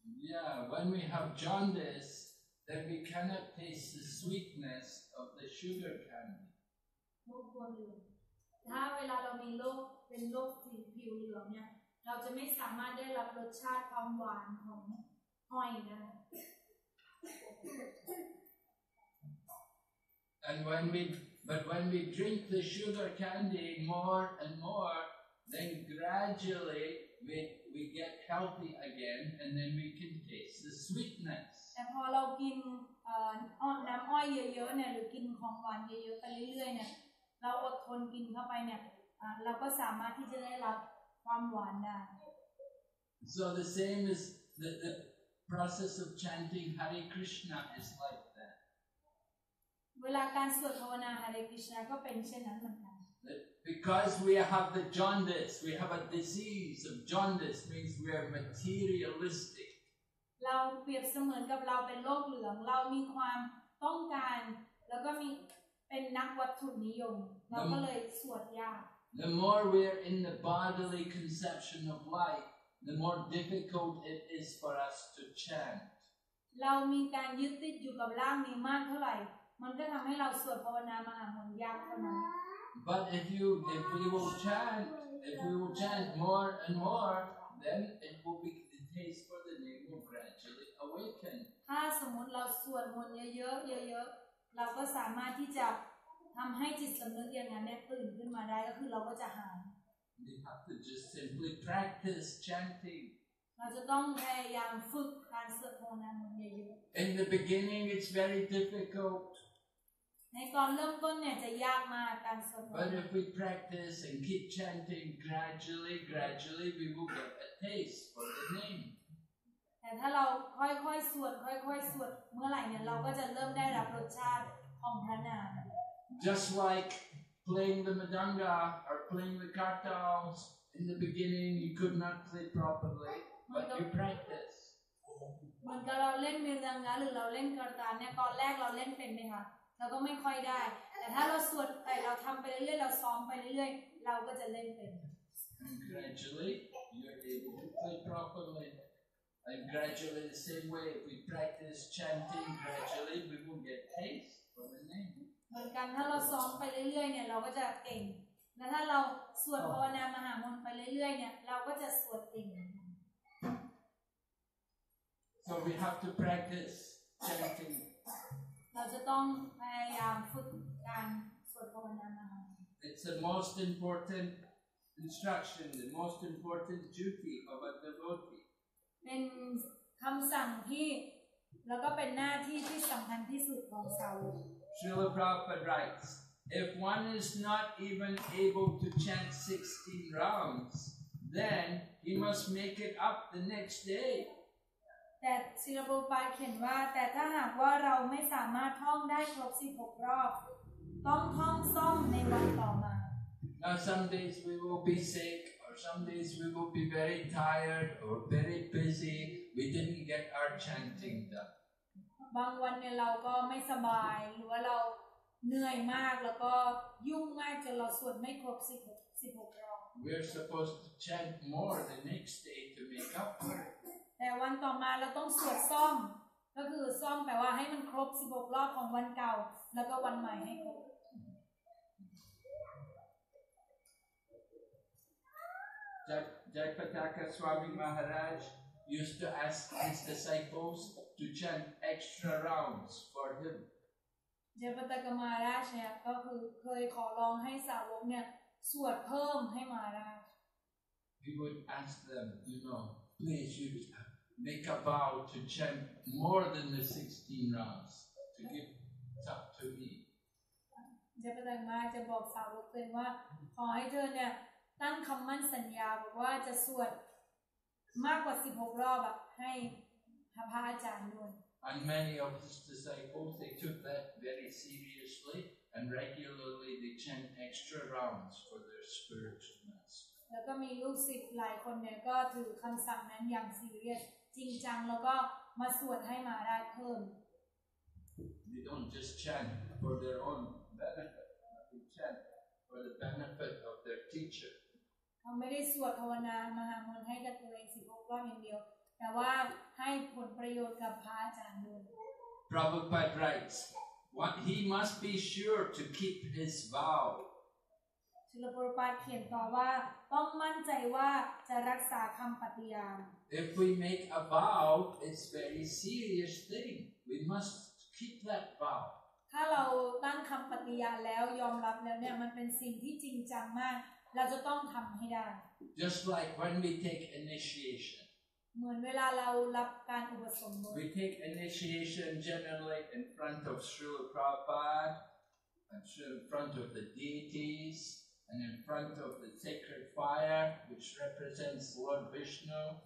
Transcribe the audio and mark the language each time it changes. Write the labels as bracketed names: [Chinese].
[English] Yeah, when we have jaundice, then we cannot taste the sweetness of the sugar candy. [Thai] ถ้าเวลาเรามีโรคเป็นโรคผิวเหลืองเนี่ยเราจะไม่สามารถได้รับรสชาติความหวานของหอยได้ [English] And when we drink the sugar candy more and more, then gradually we we get healthy again, and then we can taste the sweetness. [Thai] แต่พอเรากินน้ำอ้อยเยอะๆเนี่ยหรือกินของหวานเยอะๆไปเรื่อยๆเนี่ยเราอดทนกินเข้าไปเนี่ยเราก็สามารถที่จะได้รับความหวานได้ [English] So the same is the process of chanting Hare Krishna is like that. [Thai] เวลาการสวดภาวนา Hare Krishna ก็เป็นเช่นนั้นเหมือนกัน [English] Because we have the jaundice, we have a disease of jaundice, means we are materialistic. [Thai] เราเปรียบเสมือนกับเราเป็นโรคเหลืองเรามีความต้องการแล้วก็มีเป็นนักวัตถุนิยมเราก็เลยสวดยาก [English] The more we are in the bodily conception of life, the more difficult it is for us to chant. [Thai] เรามีการยึดติดอยู่กับร่างนี้มากเท่าไหร่มันก็ทำให้เราสวดภาวนามหามนต์ยากเท่านั้น [English] But if we will chant more and more, then it will be the taste for the name will gradually awaken. [Thai] ถ้าสมมติเราสวดมนต์เยอะๆเยอะๆเราก็สามารถที่จะทำให้จิตสำนึกอย่างนั้นตื่นขึ้นมาได้ก็คือเราก็จะหาย [English] We have to just simply practice chanting. [Thai] เราจะต้องพยายามฝึกการสวดมนต์เยอะ [English] ๆ In the beginning, it's very difficult. [Thai] ในตอนเริ่มต้นเนี่ยจะยากมากการสวด [English] But if we practice and keep chanting gradually we will get a taste for the name [Thai] แต่ถ้าเราค่อยๆสวดค่อยๆสวดเมื่อไหร่เนี่ยเราก็จะเริ่มได้รับรสชาติของพระนาม [English] Just like playing the mridanga or playing the kartals in the beginning you could not play properly but you practice [Thai] เหมือนกับเราเล่นมริดังกาหรือเราเล่นกัตตาเนี่ยตอนแรกเราเล่นเป็นไหมคะเราก็ไม่ค่อยได้แต่ถ้าเราสวดไปเราทำไปเรื่อยๆเราซ้อมไปเรื่อยๆเราก็จะเล่นเป็น [English] And gradually you're able to play properly and gradually the same way if we practice chanting gradually we will get taste for the name [Thai] เหมือนกันถ้าเราซ้อมไปเรื่อยๆเนี่ยเราก็จะเก่งและถ้าเราสวดภาวนามหามนต์ไปเรื่อยๆเนี่ยเราก็จะสวดเก่ง [English] So we have to practice chanting [Thai] เราจะต้องพยายามฝึกการสวดภาวนามหามนต์ [English] It's the most important instruction, the most important duty of a devotee. [Thai] เป็นคำสั่งที่แล้วก็เป็นหน้าที่ที่สำคัญที่สุดของสาวก [English] Srila Prabhupada writes, if one is not even able to chant 16 rounds, then he must make it up the next day. [Thai] แต่ศิลปภาพเขียนว่าแต่ถ้าหากว่าเราไม่สามารถท่องได้ครบ16รอบต้องท่องซ่อมในวันต่อมา [English] Now some days we will be sick or some days we will be very tired or very busy we didn't get our chanting done [Thai] บางวันเนี่ยเราก็ไม่สบายหรือว่าเราเหนื่อยมากแล้วก็ยุ่งมากจนเราสวดไม่ครบ16รอบ [English] We are supposed to chant more the next day to make up for it [Thai] แต่วันต่อมาเราต้องสวดซ่อมก็คือซ่อมแปลว่าให้มันครบ16รอบของวันเก่าแล้วก็วันใหม่ให้ครบ [English] Jayapataka Swami Maharaj used to ask his disciples to chant extra rounds for him [Thai] Jayapataka Maharaj เนี่ยก็คือเคยขอร้องให้สาวกเนี่ยสวดเพิ่มให้มาราช [English] He would ask them you know please youMake a vow to chant more than the 16 rounds to give up to me. [Thai] Jayapataka จะบอกสาวกเป็นว่าขอให้เธอเนี่ยตั้งคำมั่นสัญญาบอกว่าจะสวดมากกว่า16รอบให้พระอาจารย์ด้วย [English] And many of his disciples they took that very seriously and regularly they chant extra rounds for their spiritual master. [Thai] แล้วก็มีลูกศิษย์หลายคนเนี่ยก็ถือคำสั่งนั้นอย่างซีเรียสจริงจังแล้วก็มาสวดให้มาราชเพิ่ม [English] They don't just chant for their own benefit but they chant for the benefit of their teacher [Thai] เขาไม่ได้สวดภาวนามหามนต์ให้กับตัวเอง16รอบอย่างเดียวแต่ว่าให้ผลประโยชน์กับพระอาจารย์ด้วย [English] Prabhupada writes what he must be sure to keep his vow [Thai] ศิลปุรปาเขียนต่อว่าต้องมั่นใจว่าจะรักษาคำปฏิญาณ [English] If we make a vow, it's a very serious thing. We must keep that vow. [Thai] ถ้าเราตั้งคำปฏิญาณแล้วยอมรับแล้วเนี่ยมันเป็นสิ่งที่จริงจังมาก เราจะต้องทำให้ได้ [English] Just like when we take initiation [Thai] เหมือนเวลาเรารับการอุปสมบท [English] We take initiation generally in front of Srila Prabhupada in front of the deities and in front of the sacred fire which represents Lord Vishnu